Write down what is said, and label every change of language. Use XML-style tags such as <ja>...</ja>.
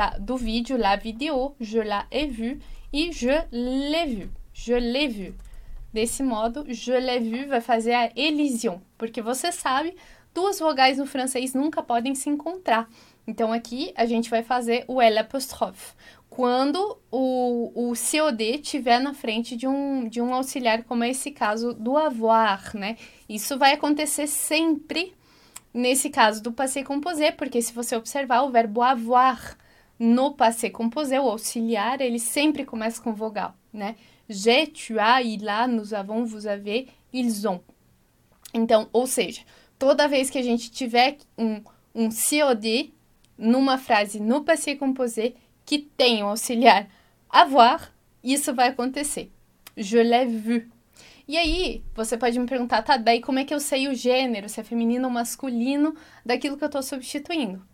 <pt>Do vídeo,</pt> <fr>la vidéo, je la ai vu, e je l'ai vu.</fr> <pt>Desse modo,</pt> <fr>je l'ai vu</fr> <pt>vai fazer a élision, porque você sabe, duas vogais no francês nunca podem se encontrar. Então aqui a gente vai fazer o L apostrophe. Quando o COD estiver na frente de um auxiliar, como é esse caso do avoir, né? Isso vai acontecer sempre nesse caso do passé composé, porque se você observar o verbo avoir no passé composé, o auxiliar, ele sempre começa com vogal, né?</pt> <fr>J'ai, tu as, il a, nous avons, vous avez, ils ont.</fr> <pt>Então, ou seja, toda vez que a gente tiver um COD numa frase no passé composé que tem o auxiliar avoir, isso vai acontecer.</pt> <fr>Je l'ai vu.</fr> <pt>E aí, você pode me perguntar, tá, daí como é que eu sei o gênero, se é feminino ou masculino, daquilo que eu estou substituindo?</pt>